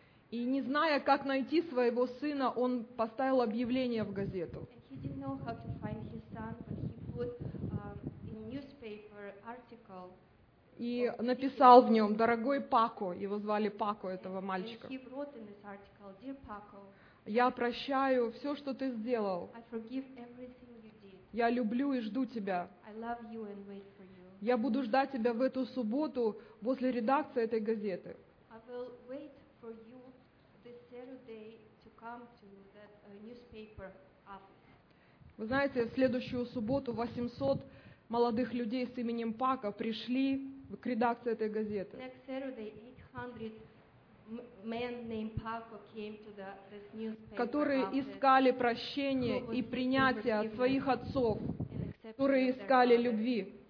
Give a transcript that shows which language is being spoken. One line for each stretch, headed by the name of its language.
Russian: И не зная, как найти своего сына, он поставил объявление в газету.
English: He didn't know how to find his son, but he put in newspaper article.
Russian: И написал в нем: «Дорогой Пако», его звали Пако, этого мальчика.
English: And he wrote in this article: «Dear Paco,
Russian: я прощаю все, что ты сделал.
English: I forgive everything you did.
Russian: Я люблю и жду тебя.
English: I love you and wait for you.
Russian: Я буду ждать тебя в эту субботу возле редакции этой газеты.
English: I will wait for you this Saturday to come to that newspaper office.
Russian: Вы знаете, в следующую субботу 800 молодых людей с именем Пака пришли к редакции этой газеты.
English: Next Saturday 800 men named Paco came to this newspaper.
Russian: Которые искали прощения и принятия от своих отцов, которые искали любви.